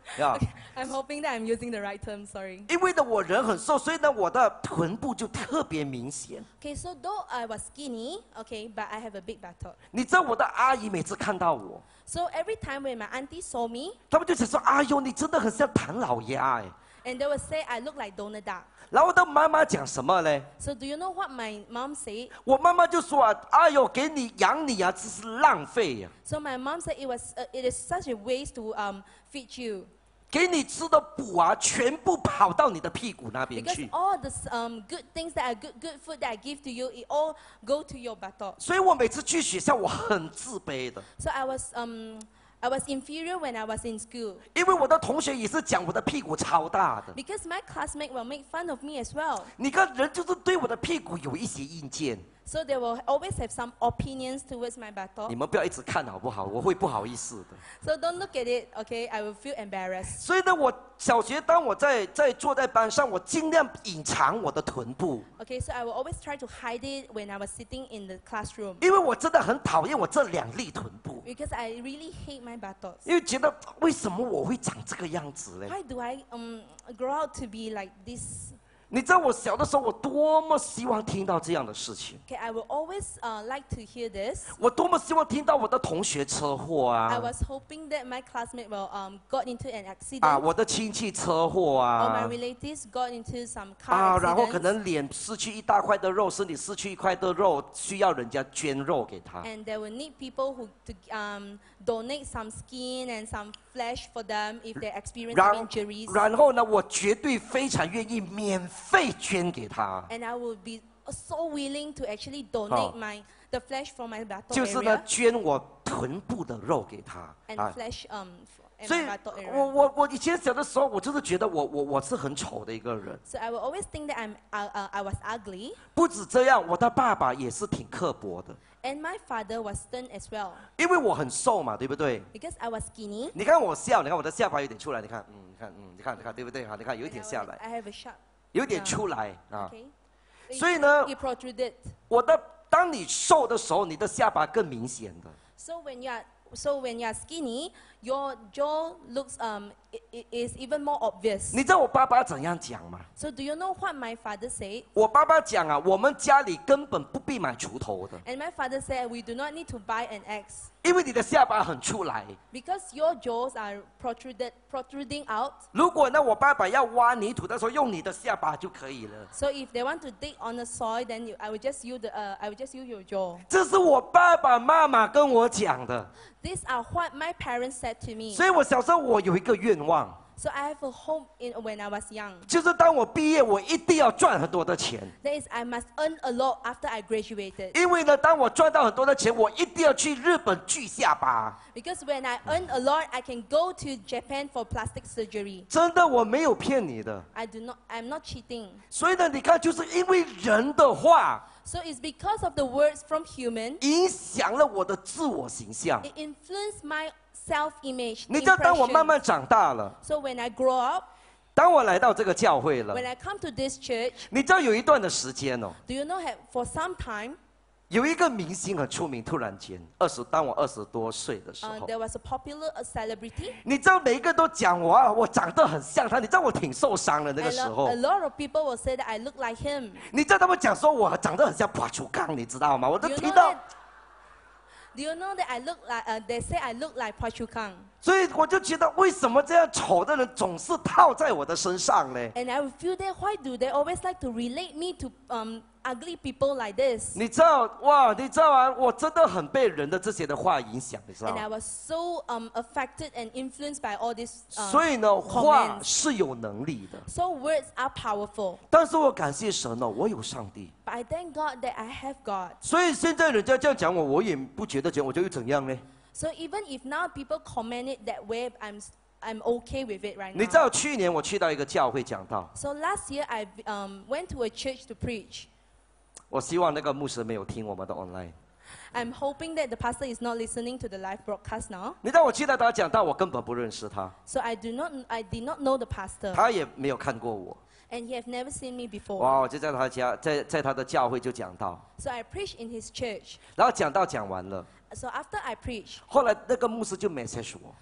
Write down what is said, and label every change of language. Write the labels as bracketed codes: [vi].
[en] Okay, I'm hoping that I'm using the right term. Sorry. [zh] 因为呢，我人很瘦，所以呢，我的臀部就特别明显。 [en] Okay, so though I was skinny, okay, but I have a big buttock. [zh] 你知道我的阿姨每次看到我 [en] ，So every time when my auntie saw me, [zh] 他们就想说：“哎呦，你真的很像唐老鸭哎。” [en] And they would say I look like Donald Duck. [zh] 然后我的妈妈讲什么嘞 [en] ？So do you know what my mom said? [zh] 我妈妈就说啊，哎呦，给你养你啊，这是浪费呀、啊。 [en] So my mom said it was it is such a waste to feed you. [zh] 给你吃的补啊，全部跑到你的屁股那边去。 [en] Because all the good things that are good food that I give to you, it all go to your buttock. [zh] 所以我每次去学校，我很自卑的。 [en] So I was inferior when I was in school. [zh] 因为我的同学也是讲我的屁股超大的。 [en] Because my classmate will make fun of me as well. [zh] 你看人就是对我的屁股有一些意见。 [en] So they will always have some opinions towards my buttock. [zh] 你们不要一直看好不好？我会不好意思的。 [en] So don't look at it, okay? I will feel embarrassed. [zh] 所以呢，我小学当我在坐在班上，我尽量隐藏我的臀部。 [en] Okay, so I will always try to hide it when I was sitting in the classroom. [zh] 因为我真的很讨厌我这两粒臀部。 [en] Because I really hate my buttocks. [zh] 因为觉得为什么我会长这个样子嘞 [en] ？Why do I grow out to be like this? [zh] 你知道我小的时候，我多么希望听到这样的事情。 [en] Okay, I will always like to hear this. [zh] 我多么希望听到我的同学车祸啊 [en] ！I was hoping that my classmate will got into an accident. [zh] 啊，我的亲戚车祸啊 [en] ！Or my relatives got into some car accident. [zh] 啊，然后可能脸失去一大块的肉，身体失去一块的肉，需要人家捐肉给他。 [en] And they will need people who to donate some skin and some flesh for them if they experience injuries. [zh] 然后呢，我绝对非常愿意免费。肺捐给他 [en] ，and I would be so willing to actually donate my the flesh from my buttock area， [zh] 就是呢，捐我臀部的肉给他 [en] ，and flesh my buttock area。 [zh] 所以，我以前小的时候，我就是觉得我是很丑的一个人。 [en] So I would always think that I'm I was ugly。 [zh] 不止这样，我的爸爸也是挺刻薄的。 [en] And my father was stern as well。 [zh] 因为我很瘦嘛，对不对 [en] ？Because I was skinny。 [zh] 你看我笑，你看我的下巴有点出来，你看，嗯，你看，嗯，你看，对不对？好，你看有一点下来。 [en] I have a sharp。 [zh] 有点出来 [en] okay. [zh] 所以呢，我的当你瘦的时候，你的下巴更明显的。 [en] So when you are so when you are skinny, your jaw looks is even more obvious. [zh] 你知道我爸爸怎样讲吗 [en] ？So do you know what my father said? [zh] 我爸爸讲啊，我们家里根本不必买锄头的。 [en] And my father said we do not need to buy an axe. [zh] 因为你的下巴很出来。 [en] Because your jaws are protruding out. [zh] 如果呢，我爸爸要挖泥土的时候，用你的下巴就可以了。 [en] So if they want to dig on the soil, then I will just use your jaw. [zh] 这是我爸爸妈妈跟我讲的。 [en] These are what my parents said to me. [zh] 所以我小时候我有一个愿望。 [en] So I have a hope in when I was young. [zh] 就是当我毕业，我一定要赚很多的钱。 [en] That is, I must earn a lot after I graduated. [zh] 因为呢，当我赚到很多的钱，我一定要去日本锯下巴。 [en] Because when I earn a lot, I can go to Japan for plastic surgery. [zh] 真的，我没有骗你的。 [en] I'm not cheating. [zh] 所以呢，你看，就是因为人的话。 [en] So it's because of the words from human. [zh] 影响了我的自我形象。 [en] It influenced my self-image. [zh] 你知道，当我慢慢长大了。 [en] So when I grow up. [zh] 当我来到这个教会了。 [en] When I come to this church. [zh] 你知道有一段的时间哦。 [en] Do you know for some time? [zh] 有一个明星很出名，突然间，当我二十多岁的时候。 [en] There was a popular celebrity. [zh] 你知道每一个都讲我，我长得很像他。你知道我挺受伤的那个时候。 [en] A lot of people will say that I look like him. [zh] 你知道他们讲说我长得很像巴楚刚，你知道吗？我都听到。 [en] Do you know that I look like? They say I look like Phua Chu Kang. [zh] 所以我就觉得，为什么这样丑的人总是套在我的身上呢 [en] ？And I would feel that why do they always like to relate me to ugly people like this? [zh] 你知道哇？你知道啊？我真的很被人的这些的话影响，你知道吗 [en] ？And I was so affected and influenced by all this. [zh] 所以呢，话是有能力的。 [en] So words are powerful. [zh] 但是我感谢神哦，我有上帝。 [en] But I thank God that I have God. [zh] 所以现在人家这样讲我，我也不觉得讲，我就又怎样呢 [en] ？So even if now people comment it that way, I'm okay with it right now. [zh] 你知道去年我去到一个教会讲道。 [en] So last year I went to a church to preach. [zh] 我希望那个牧师没有听我们的 online. [en] I'm hoping that the pastor is not listening to the live broadcast now. [zh] 你知道我去到他讲道，我根本不认识他。 [en] So I did not know the pastor. [zh] 他也没有看过我。 [en] And he has never seen me before. [zh] 哇，我就在他家，在他的教会就讲道。 [en] So I preached in his church. [zh] 然后讲道讲完了。 [en] So after I preached. [zh] 后来那个牧师就 message 我。